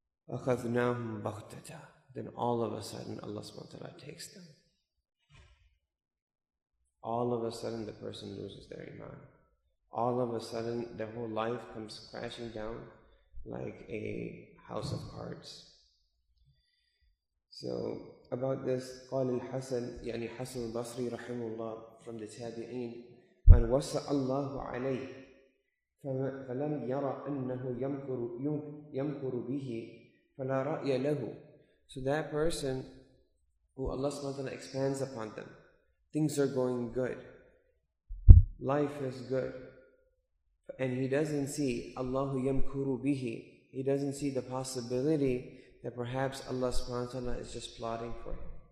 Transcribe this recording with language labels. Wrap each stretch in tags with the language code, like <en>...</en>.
<ar>أَخَذْنَاهُمْ بَغْتَةً.</ar> <en>Then all of a sudden Allah subhanahu wa ta'ala takes them. All of a sudden the person loses their iman. All of a sudden their whole life comes crashing down like a house of cards. So about this,</en> <ar>قال الحسن يعني حسن البصري رحمه الله from the تابعين من وسع الله عليه فلم يرى أنه يمكر به فلا رأي له.</ar> <en>So that person who Allah subhanahu wa ta'ala expands upon them, things are going good, life is good, and he doesn't see</en> <ar>Allahu yamkuru bihi,</ar> <en>he doesn't see the possibility that perhaps Allah subhanahu wa ta'ala is just plotting for him.</en>